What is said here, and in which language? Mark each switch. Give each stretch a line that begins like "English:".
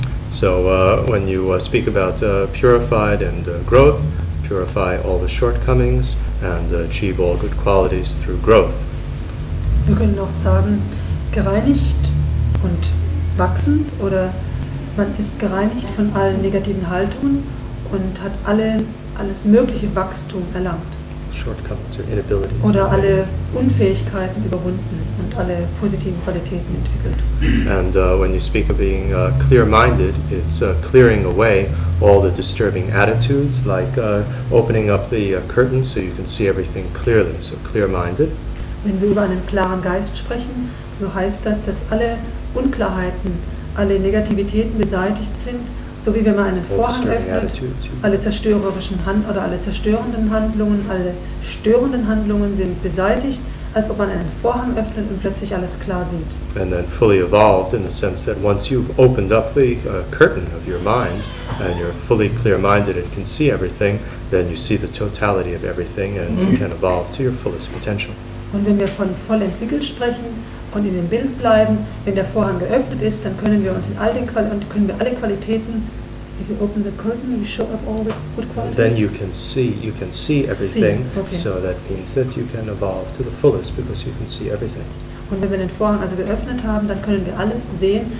English: So when you speak about purified and growth, purify all the shortcomings and achieve all good qualities through growth.
German: Wir können auch sagen, gereinigt und wachsend oder Man ist gereinigt von allen negativen Haltungen und hat alles mögliche Wachstum erlangt.
English: Shortcomings or inabilities.
German: Oder alle Unfähigkeiten überwunden und alle positiven Qualitäten entwickelt.
English: And when you speak of being clear-minded, it's clearing away all the disturbing attitudes, like opening up the curtain so you can see everything clearly. So clear-minded.
German: Wenn wir über einen klaren Geist sprechen, so heißt das, dass alle Unklarheiten, alle Negativitäten beseitigt sind, so wie wenn man einen Vorhang öffnet, alle zerstörenden Handlungen sind beseitigt, als ob man einen Vorhang öffnet und plötzlich alles klar sieht.
English: And then fully evolved in the sense that once you've opened up the curtain of your mind and you're fully clear-minded and can see everything, then you see the totality of everything and you can evolve to your fullest potential.
German: Und wenn wir von voll entwickelt sprechen und in dem Bild bleiben, wenn der Vorhang geöffnet ist, dann können wir uns in all den Qualitäten,
English: if you open the curtain, you show up all the good qualities. Then you can see everything. See. Okay. So that means that you can evolve to the fullest because you can see everything.
German: Und wenn wir den Vorhang also geöffnet haben, dann können wir alles sehen.